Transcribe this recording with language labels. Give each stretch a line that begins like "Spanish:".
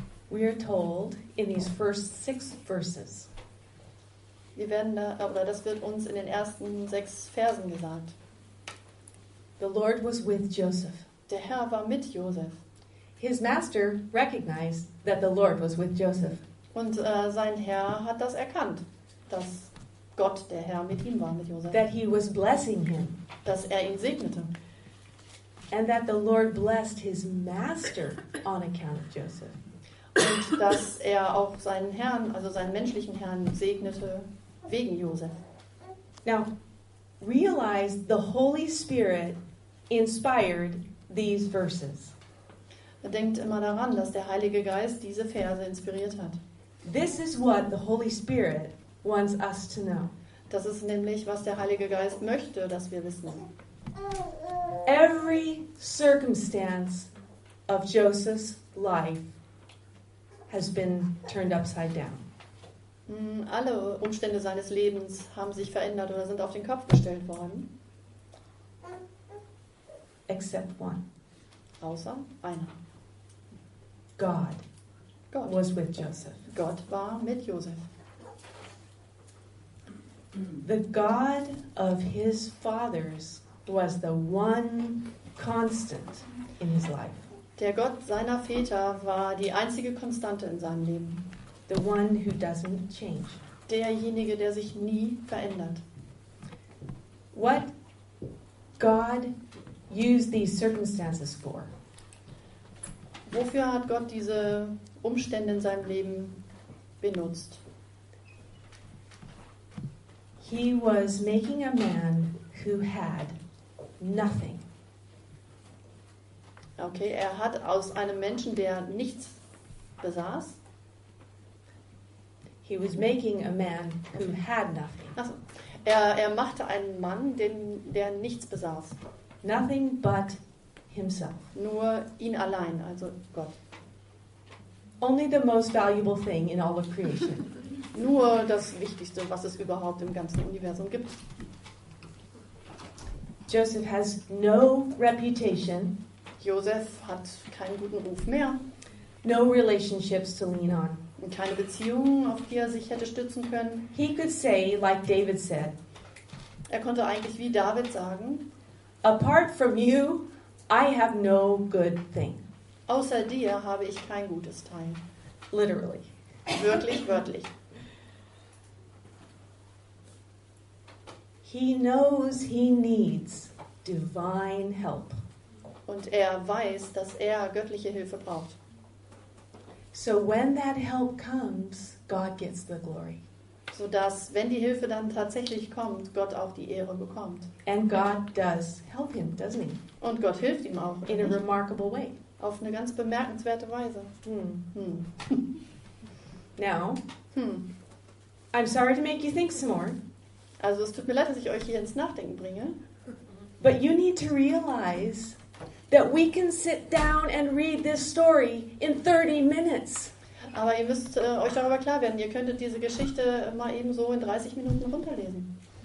English: We are told in these first six verses.
German: Wir werden da, oder das wird uns in den ersten sechs Versen gesagt.
English: The Lord was with Joseph.
German: Der Herr war mit Joseph.
English: His master recognized that the Lord was with Joseph.
German: Und sein Herr hat das erkannt, dass Gott, der Herr, mit ihm war, mit Joseph.
English: That he was blessing him.
German: Dass er ihn segnete.
English: And that the Lord blessed his master on account of Joseph.
German: Und dass er auch seinen Herrn, also seinen menschlichen Herrn, segnete wegen Josef.
English: Now, realize the Holy Spirit inspired these verses.
German: Denkt immer daran, dass der Heilige Geist diese Verse inspiriert hat.
English: This is what the Holy Spirit wants us to know.
German: Das ist nämlich, was der Heilige Geist möchte, dass wir wissen.
English: Every circumstance of Joseph's life has been turned upside down.
German: Alle Umstände seines Lebens haben sich verändert oder sind auf den Kopf gestellt worden.
English: Except one.
German: Außer einer.
English: God was with Joseph.
German: Gott war mit Joseph.
English: The God of his fathers was the one constant in his life.
German: Der Gott seiner Väter war die einzige Konstante in seinem Leben.
English: The one who doesn't change.
German: Derjenige, der sich nie verändert.
English: What God used these circumstances for?
German: Wofür hat Gott diese Umstände in seinem Leben benutzt?
English: He was making a man who had nothing.
German: Okay, er hat aus einem Menschen, der nichts besaß.
English: He was making a man who had nothing.
German: Ach so. Er machte einen Mann, der nichts besaß.
English: Nothing but himself.
German: Nur ihn allein, also Gott.
English: Only the most valuable thing in all of creation.
German: Nur das Wichtigste, was es überhaupt im ganzen Universum gibt.
English: Joseph has no reputation.
German: Joseph hat keinen guten Ruf mehr.
English: No relationships to lean on.
German: Und keine Beziehungen, auf die er sich hätte stützen können.
English: He could say, like David said.
German: Er konnte eigentlich wie David sagen.
English: Apart from you, I have no good thing.
German: Außer dir habe ich kein gutes Teil.
English: Literally.
German: Wirklich, wörtlich.
English: He knows he needs divine help.
German: Und er weiß, dass er göttliche Hilfe braucht.
English: So when that help comes, God gets the glory.
German: So dass, wenn die Hilfe dann tatsächlich kommt, Gott auch die Ehre bekommt.
English: And God does help him, doesn't he?
German: Und Gott hilft ihm auch.
English: In a remarkable way.
German: Auf eine ganz bemerkenswerte Weise.
English: Now, I'm sorry to make you think some more.
German: Also es tut mir leid, dass ich euch hier ins Nachdenken bringe.
English: But you need to realize that we can sit down and read this story in 30 minutes.
German: Aber ihr müsst euch darüber klar werden, ihr könntet diese Geschichte mal eben so in 30 Minuten runterlesen.